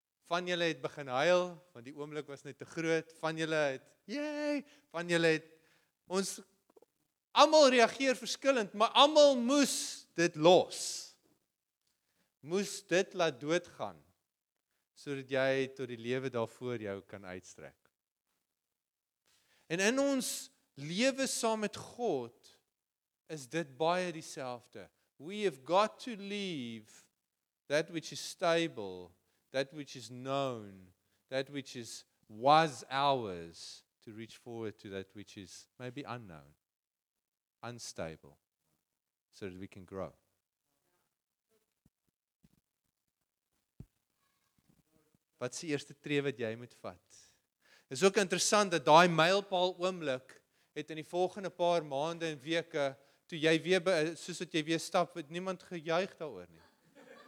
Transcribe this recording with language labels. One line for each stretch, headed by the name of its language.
Afrikaans: Van julle het begin huil, want die oomblik was net te groot, van julle het, yay, van julle het, ons allemaal reageer verskillend, maar allemaal moes dit los. Moes dit laat doodgaan, sodat jy tot die lewe daarvoor jou kan uitstrek. En in ons lewe saam met God, is dit baie dieselfde.
English: We have got to leave that which is stable, that which is known, that which is was ours, to reach forward to that which is maybe unknown, unstable, so that we can grow.
Afrikaans: Wat is die eerste tree wat jy moet vat? Het is ook interessant dat die mylpaal oomblik het in die volgende paar maande en weke, toe jy weer, soos wat jy weer stap, het niemand gejuig daaroor nie.